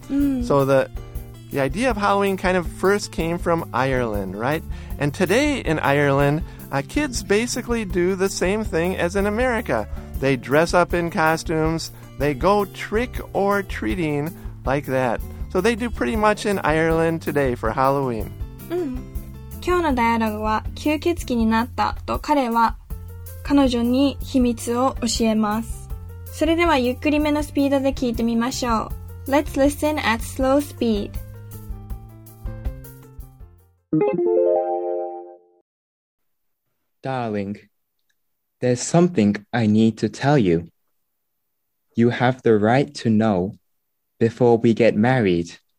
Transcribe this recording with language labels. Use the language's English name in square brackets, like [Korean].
[English] So the idea of Halloween kind of first came from Ireland, right? And today in Ireland... kids basically do the same thing as in America. They dress up in costumes. They go trick or treating like that. So they do pretty much in Ireland today for Halloween. [Japanese] 今日のダイアログは吸血鬼になったと彼は彼女に秘密を教えます。それではゆっくりめのスピードで聞いてみましょう。 [English] Let's listen at slow speed. Darling, there's something I need to tell you. You have the right to know before we get married.